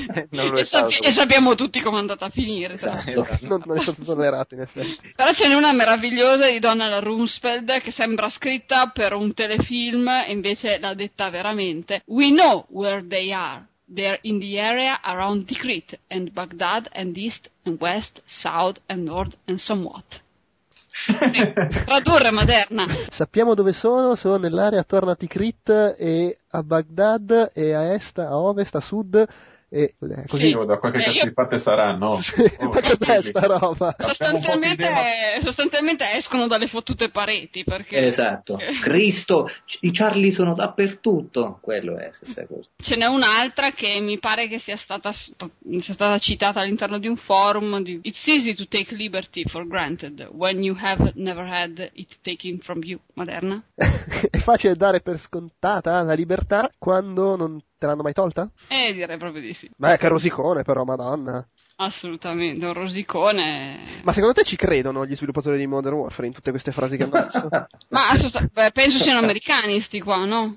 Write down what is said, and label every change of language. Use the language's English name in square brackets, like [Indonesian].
[Italian] Non lo è stato. E sappiamo tutti come è andata a finire. Esatto. Non è stato tollerato, in effetti. Però ce n'è una meravigliosa di Donald Rumsfeld che sembra scritta per un telefilm, invece l'ha detta veramente. [English] We know where they are. They're in the area around Tikrit and Baghdad and east and west, south and north and somewhat. [Italian] Tradurre moderna. Sappiamo dove sono, sono nell'area attorno a Tikrit e a Baghdad e a est, a ovest, a sud. E così sì, da qualche cazzo di parte saranno. Sì, ma cos'è sta roba? Sostanzialmente escono dalle fottute pareti, perché... Esatto. Cristo, i Charlie sono dappertutto. Quello è stessa cosa. Ce n'è un'altra che mi pare che sia stata citata all'interno di un forum di... [English] It's easy to take liberty for granted when you have never had it taken from you. [Italian] Moderna. È facile dare per scontata la libertà quando non te l'hanno mai tolta? Direi proprio di sì. Ma è che rosicone, però, madonna. Assolutamente, un rosicone. Ma secondo te ci credono gli sviluppatori di Modern Warfare in tutte queste frasi che hanno messo? Ma penso siano americani sti qua, no?